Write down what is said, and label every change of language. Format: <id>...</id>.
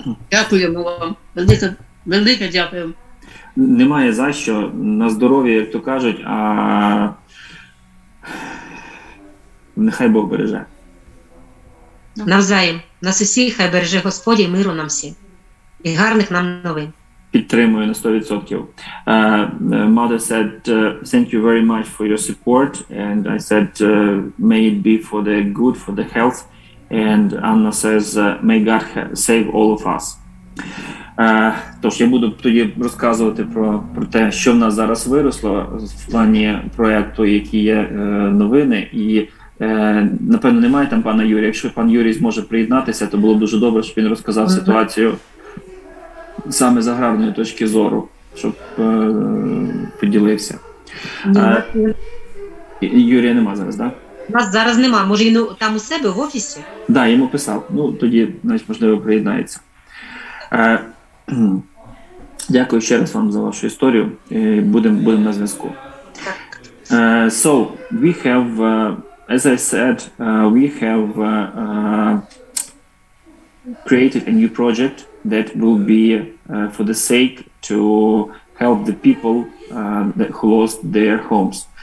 <uk>Дякуємо вам. Велике дякуємо. Немає за що. На здоров'я, як то кажуть, а нехай Бог береже. Навзаєм. Нас усіх хай береже Господь, миру нам всім. І гарних нам новин. Підтримую на 100%.</uk> <en>Mother said, thank you very much for your support. And I said, may it be for the good, for the health. And Anna says, may God save all of us.</en> <uk>Тож я буду тоді розказувати про те, що в нас зараз виросло в плані проєкту, які є новини. І, напевно, немає там пана Юрія. Якщо пан Юрій зможе приєднатися, то було б дуже добре, щоб він розказав mm-hmm. ситуацію саме з аграрної точки зору, щоб поділився. Юрія нема зараз, так? У нас зараз нема. Може, він там у себе, в офісі? Так, да, йому писав. Ну, тоді, значить, можливо, приєднається. Дякую ще раз вам за вашу історію. Будем на зв'язку. Так.</uk> <en>So, we have, as I said, we have created a new project that will be for the sake to help the people that who lost their homes.</en>